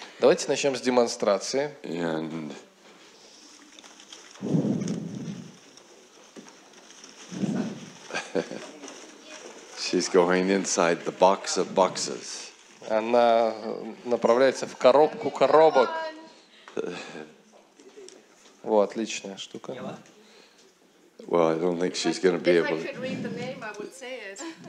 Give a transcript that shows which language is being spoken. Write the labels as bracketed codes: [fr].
[ru] Давайте начнем с демонстрации. [en] And she's going inside the box of boxes. [ru] Она направляется в коробку коробок. Вот, отличная штука. [en] Well, I don't think she's going to be able to. If I could read the name, I would say it.